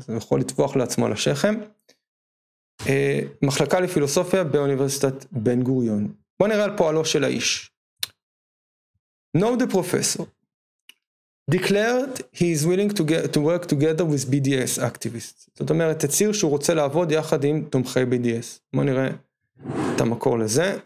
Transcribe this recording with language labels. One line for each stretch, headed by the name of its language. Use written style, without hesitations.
Hebrew: זה יכול לטפוח לעצמו לשכם. מחלקה לפילוסופיה באוניברסיטת בן גוריון. בוא נראה על פועלו של האיש.
English: Know the professor. Declared he is willing to work together with BDS activists.
Hebrew: זאת אומרת, הציר שהוא רוצה לעבוד יחד עם תומכי BDS. בוא נראה את המקור לזה.